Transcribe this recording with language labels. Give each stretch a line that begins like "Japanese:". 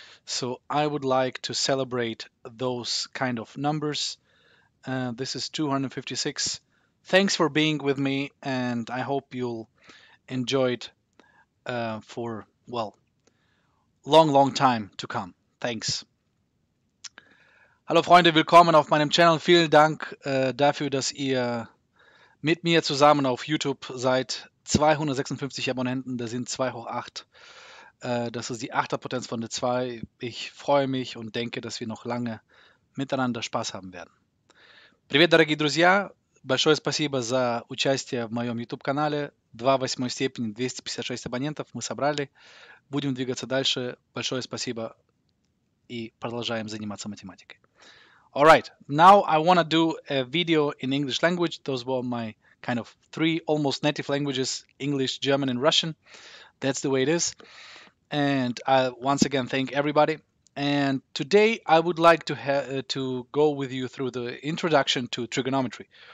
English: So I would like to celebrate those kind of numbers. This is 256. Thanks for being with me and I hope you'll enjoy it for, well, long, long time to come. Thanks.
German: Hallo Freunde, willkommen auf meinem Channel. Vielen Dank dafür, dass ihr mit mir zusammen auf YouTube seid. 256 Abonnenten, das sind 2 hoch 8. Das ist die 8er Potenz von der 2. Ich freue mich und denke, dass wir noch lange miteinander Spaß haben werden.
Russian: Привет, дорогие друзья! Большое спасибо за участие в моем YouTube-канале. 2 восьмой степени, 256 абонентов мы собрали. Будем двигаться дальше. Большое спасибо и продолжаем заниматься математикой.
English: All right, now I want to do a video in English language. Those were my kind of 3 almost native languages, English, German, and Russian. That's the way it is. And I once again thank everybody. And today I would like to go with you through the introduction to trigonometry.